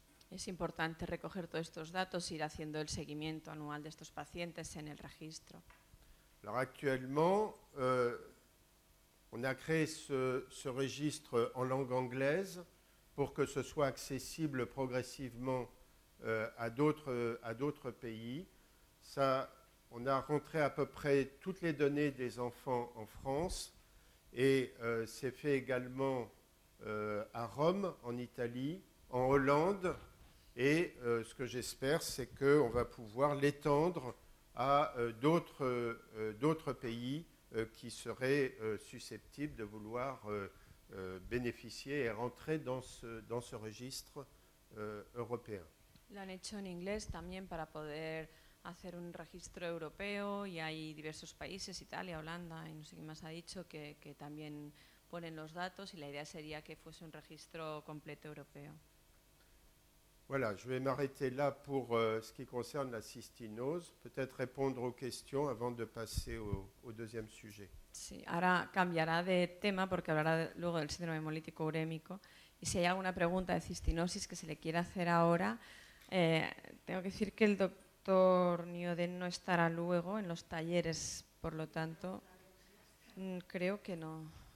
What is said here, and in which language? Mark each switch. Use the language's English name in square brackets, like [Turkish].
[Spanish] Es importante recoger todos estos datos, ir haciendo el seguimiento anual de estos pacientes en el registro. [French] Alors actuellement, on a créé ce registre en langue anglaise pour que ce soit accessible progressivement à d'autres pays. Ça, on a rentré à peu près toutes les données des enfants en France et c'est fait également à Rome, en Italie, en Hollande. Et ce que j'espère, c'est qu'on va pouvoir l'étendre à d'autres pays qui seraient susceptibles de vouloir bénéficier et rentrer dans ce registre européen. [Spanish] Lo han hecho en inglés también para poder hacer un registro europeo y hay diversos países, Italia, Holanda y no sé quién más ha dicho que también ponen los datos y la idea sería que fuese un registro completo europeo. [French] Voilà, je vais m'arrêter là pour ce qui concerne la cistinose. Peut-être répondre aux questions avant de passer au deuxième sujet. [Spanish] Sí, ahora cambiará de tema porque hablará luego del síndrome hemolítico urémico. Y si hay alguna pregunta de cistinosis que se le quiera hacer ahora, tengo que decir que el doctor Nioden no estará luego en los talleres, por lo tanto, creo que no.